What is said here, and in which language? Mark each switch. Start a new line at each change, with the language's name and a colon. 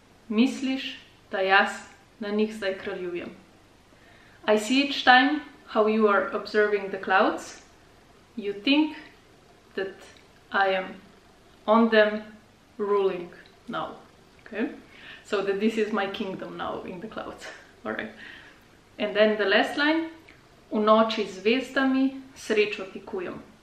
Slovenian: Misliš, da jaz na njih zdaj kraljujem.
English: I see each time how you are observing the clouds. You think that I am on them ruling now. Okay? So that this is my kingdom now in the clouds. Alright. And then the last line.
Slovenian: U noči zvezdami srečo ti kujem.